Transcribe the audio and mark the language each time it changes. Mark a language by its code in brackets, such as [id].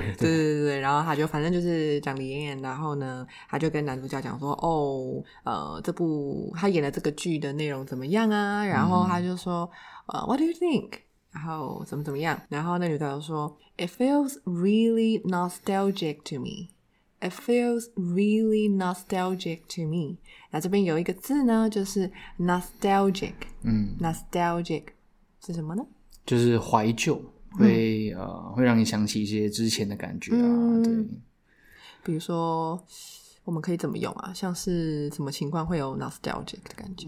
[zh] 对对 对, 对，然后他就反正就是讲 the end, 然后呢他就跟男主角讲说哦这部他演了这个剧的内容怎么样啊，然后他就说 [en] what do you think? [zh] 然后怎么怎么样，然后那女的就说 [en] It feels really nostalgic to me. It feels really nostalgic to me. [zh] 那这边有一个字呢就是 nostalgic, nostalgic 是什么呢？就是怀旧，会会让你想起一些之前的感觉啊，对，比如说我们可以怎么用啊？像是什么情况会有 nostalgic 的感觉？